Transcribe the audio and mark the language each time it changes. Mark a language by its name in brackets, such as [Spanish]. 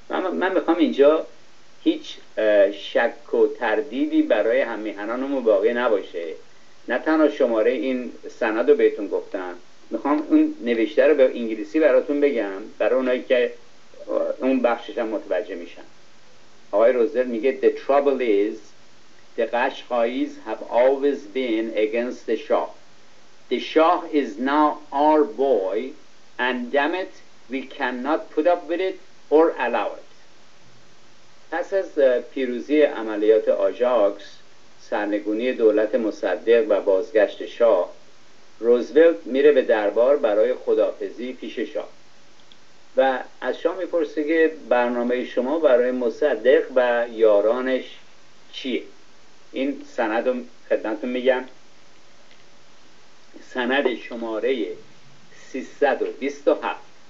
[Persian] من میخوام اینجا هیچ شک و تردیدی برای هممیهنانمون باقی نباشه. نه تنها شماره این سند رو بهتون گفتم، میخوام اون نوشته رو به انگلیسی براتون بگم برای اونایی که اون بخشش هم متوجه میشن. آقای روزر میگه [English] The trouble is the Qashqais have always been against the Shah. The Shah is now our boy and damn it, we cannot put up with it or allow it. [Persian] پس از پیروزی عملیات آژاکس، سرنگونی دولت مصدق و بازگشت شاه، روزولت میره به دربار برای خداحافظی پیش شاه و از شاه میپرسه که برنامه شما برای مصدق و یارانش چیه؟ این سند رو خدمتون میگم، سند شماره 327.